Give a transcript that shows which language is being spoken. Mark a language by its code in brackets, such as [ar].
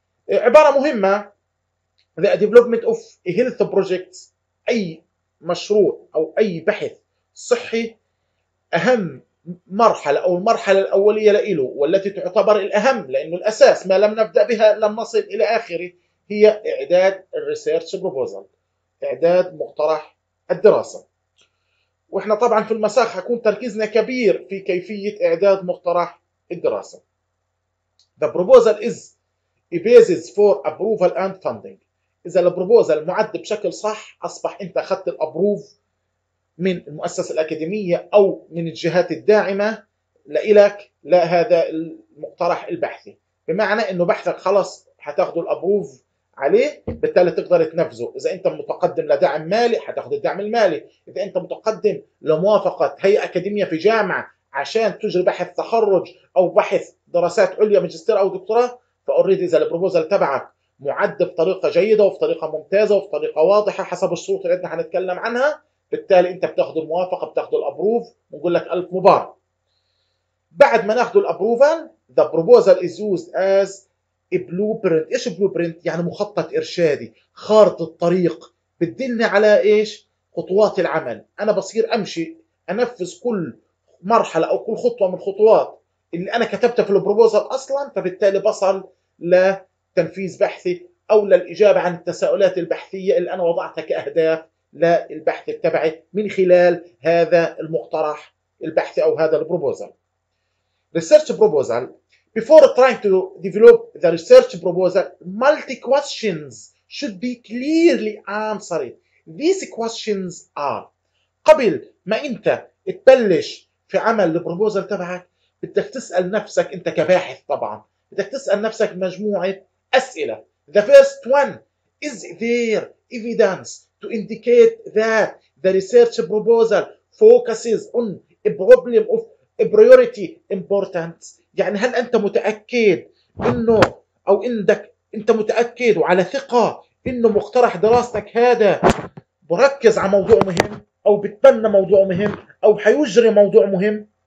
[ar] عبارة مهمة [en] The development of a health project، [ar] أي مشروع أو أي بحث صحي أهم مرحلة أو المرحلة الأولية لإله والتي تعتبر الأهم، لأنه الأساس ما لم نبدأ بها لم نصل إلى آخره، هي إعداد الريسيرش بروبوزل، إعداد مقترح الدراسة. وإحنا طبعا في المساق هكون تركيزنا كبير في كيفية إعداد مقترح الدراسة. [en] The proposal is a basis for approval and funding. [ar] إذا البروبوزل معد بشكل صح أصبح أنت أخذت الأبروف من المؤسسة الأكاديمية أو من الجهات الداعمة لإلك لهذا المقترح البحثي، بمعنى أنه بحثك خلاص هتاخده الأبروف عليه، بالتالي تقدر تنفذه. إذا أنت متقدم لدعم مالي هتاخد الدعم المالي، إذا أنت متقدم لموافقة هيئة أكاديمية في جامعة عشان تجري بحث تخرج أو بحث دراسات عليا ماجستير أو دكتوراه، فأريد إذا البروبوزل تبعك معد بطريقة جيدة وفي طريقة ممتازة وفي طريقة واضحة حسب الشروط اللي احنا هنتكلم عنها، بالتالي انت بتاخد الموافقة، بتاخد الابروف، ونقول لك ألف مبارك. بعد ما ناخد الابروفال [en] the proposal is used as a blueprint. [ar] ايش blueprint؟ يعني مخطط ارشادي، خارطة الطريق بتدلني على ايش؟ خطوات العمل. انا بصير امشي انفذ كل مرحلة او كل خطوة من الخطوات اللي انا كتبتها في البروبوزل اصلا، فبالتالي بصل ل تنفيذ بحثي أو للإجابة عن التساؤلات البحثية اللي أنا وضعتها كأهداف للبحث تبعي من خلال هذا المقترح البحثي أو هذا البروبوزل. [en] Research proposal. Before trying to develop the research proposal, multi questions should be clearly answered. These questions are. [ar] قبل ما أنت تبلش في عمل البروبوزل تبعك بدك تسأل نفسك، أنت كباحث طبعا بدك تسأل نفسك مجموعة أسئلة. [en] The first one, is there evidence to indicate that the research proposal focuses on a problem of a priority importance؟ [ar] يعني هل أنت متأكد إنه أو عندك أنت متأكد وعلى ثقة إنه مقترح دراستك هذا بركز على موضوع مهم أو بتبنى موضوع مهم أو حيجري موضوع مهم؟